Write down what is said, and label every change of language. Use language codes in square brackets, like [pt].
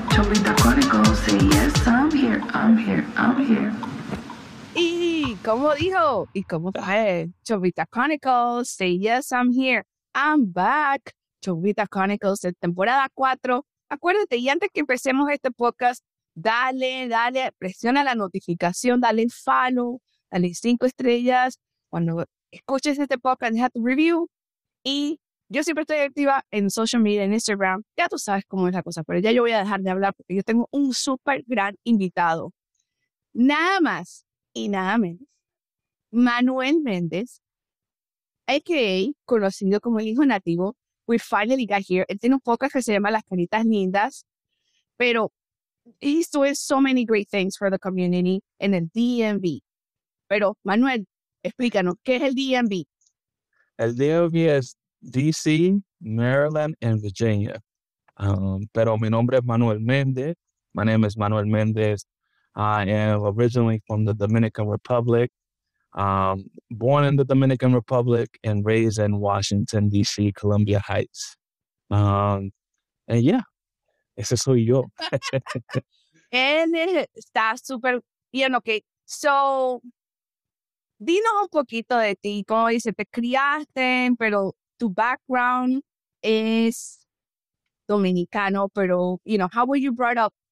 [en] Chompita Cónico, say yes, I'm here, I'm here, I'm here. [es] ¿Y cómo dijo? ¿Y cómo fue? [en] Chompita Chronicles, say yes, I'm here, I'm back. [es] Chompita Chronicles de temporada 4. Acuérdate, y antes que empecemos este podcast, dale, presiona la notificación, dale follow, dale 5 estrellas. Cuando escuches este podcast, deja tu review. Y yo siempre estoy activa en social media, en Instagram. Ya tú sabes cómo es la cosa, pero ya yo voy a dejar de hablar porque yo tengo un súper gran invitado. Nada más. Y nada menos, Manuel Méndez, a.k.a. conocido como el hijo nativo, [en] we finally got here. [es] Él tiene un podcast que se llama Las Caritas Lindas, pero [en] he's doing so many great things for the community [es] en el DMV. Pero, Manuel, explícanos, ¿qué es el DMV? El DMV es D.C., Maryland, and Virginia. Pero mi nombre es Manuel Méndez. [en] My name is Manuel Méndez. I am originally from the Dominican Republic, born in the Dominican Republic and raised in Washington, D.C., Columbia Heights. [es] Ese soy yo. Él está súper bien, ok. So, dinos un poquito de ti, como dice, te criaste, pero tu background es dominicano, pero, [en] you know, how were you brought up?